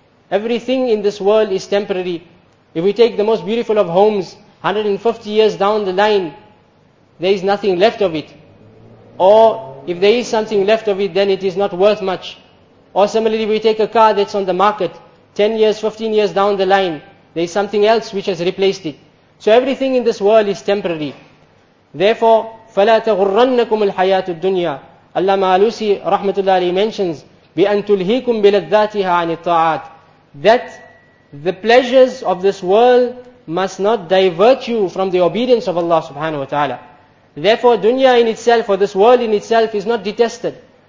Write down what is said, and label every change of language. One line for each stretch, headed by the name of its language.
English: Everything in this world is temporary. If we take the most beautiful of homes, 150 years down the line, there is nothing left of it. Or if there is something left of it, then it is not worth much. Or similarly, we take a car that's on the market, 10 years, 15 years down the line, there is something else which has replaced it. So everything in this world is temporary.
Arabic: Therefore, فَلَا تَغُرَّنَّكُمُ الْحَيَاةُ الدُّنْيَا. Allah Ma'alusi, rahmatullah alayhi, mentions, بِأَنْ تُلْهِيكُمْ بِلَذَّاتِهَا عَنِ الطَّاعَاتِ.
English: That the pleasures of this world must not divert you from the obedience of Allah subhanahu wa ta'ala. Therefore, dunya in itself, or this world in itself, is not detested.